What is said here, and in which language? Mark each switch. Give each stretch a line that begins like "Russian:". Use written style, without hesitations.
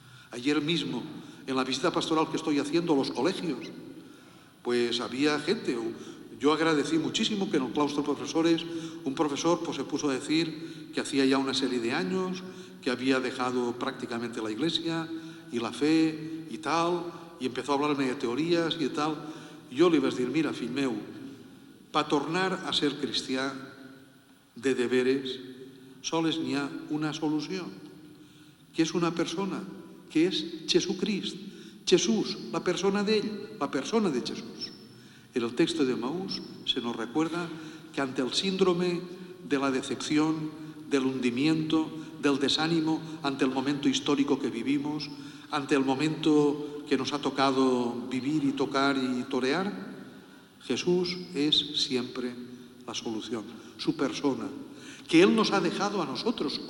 Spanish: Ayer mismo, en la visita pastoral que estoy haciendo a los colegios, pues había gente, yo agradecí muchísimo que en el claustro de profesores, un profesor pues, se puso a decir que hacía ya una serie de años que había dejado prácticamente la iglesia y la fe y tal, y empezó a hablarme de teorías y de tal. Yo le iba a decir, mira,
Catalan: fill meu, pa tornar a ser cristià de deberes, soles n'hi ha una solució, que és una persona, que és Jesucrist. Jesús, la persona d'ell, la persona de Jesús.
Spanish: En el texto de Maús se nos recuerda que ante el síndrome de la decepción, del hundimiento, del desánimo ante el momento histórico que vivimos, ante el momento que nos ha tocado vivir y tocar y torear, Jesús es siempre la solución, su persona, que Él nos ha dejado a nosotros.